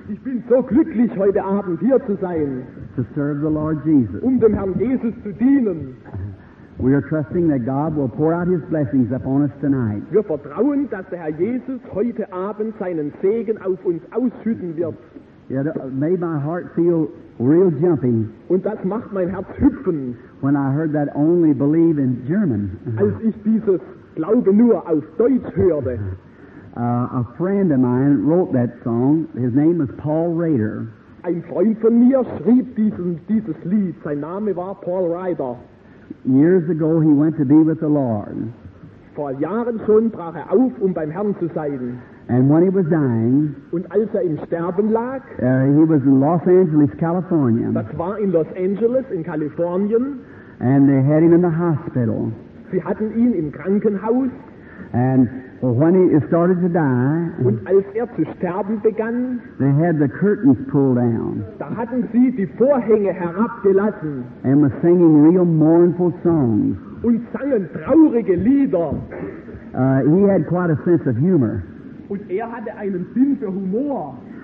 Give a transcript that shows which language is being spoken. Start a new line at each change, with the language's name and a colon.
German: Ich bin so glücklich, heute Abend hier zu sein.
English: To serve the Lord Jesus.
German: Dem Herrn Jesus zu dienen.
English: We are trusting that God will pour out his blessings upon us tonight.
German: Wir vertrauen, dass der Herr Jesus heute Abend seinen Segen auf uns ausschütten wird.
English: It made my heart feel real jumpy.
German: Und das macht mein Herz hüpfen.
English: When I heard that only believe in German.
German: Als ich dieses Glaube nur auf Deutsch hörte.
English: A friend of mine wrote that song. His name was Paul Rader.
German: Ein Freund von mir schrieb dieses Lied. Sein Name war Paul Rader.
English: Years ago he went to be with the Lord.
German: Vor Jahren schon brach auf, beim Herrn zu sein.
English: And when he was dying,
German: und als im Sterben lag,
English: he was in Los Angeles, California.
German: Das war in Los Angeles, in Kalifornien.
English: And they had him in the hospital.
German: Sie hatten ihn im Krankenhaus.
English: And when he started to die,
German: und als zu sterben begann,
English: they had the curtains pulled down.
German: Da hatten sie die Vorhänge herabgelassen.
English: And were singing real mournful songs.
German: Und sangen traurige Lieder.
English: He had quite a sense of humor.
German: Und hatte einen Sinn für Humor.